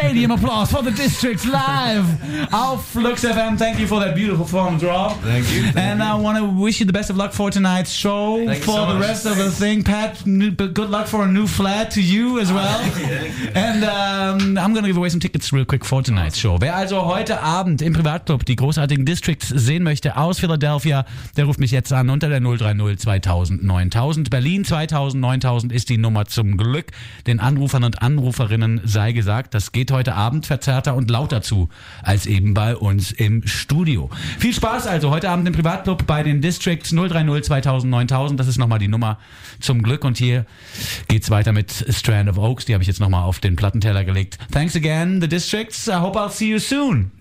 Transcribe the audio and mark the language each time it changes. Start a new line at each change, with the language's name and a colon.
English: Applause for the district live. Auf Lux FM, thank you for that beautiful performance, Rob. Thank you. I want to wish you the best of luck for tonight's show. Thank you so much. Pat, good luck for a new flat to you as well. And I'm going to give away some tickets real quick for tonight's show.
German: Wer also heute Abend im Privatclub die großartigen Districts sehen möchte aus Philadelphia, der ruft mich jetzt an unter der 030 2000 9000. Berlin 2000 9000 ist die Nummer zum Glück. Den Anrufern und Anruferinnen sei gesagt, das geht heute Abend verzerrter und lauter zu als eben bei uns im Studio. Viel Spaß also heute Abend im Privatclub bei den Districts 030 2000 9000. Das ist nochmal die Nummer zum Glück. Und hier geht's weiter mit Strand of Oaks. Die habe ich jetzt nochmal auf den Plattenteller gelegt.
English: Thanks again, the Districts. I hope I'll see you soon.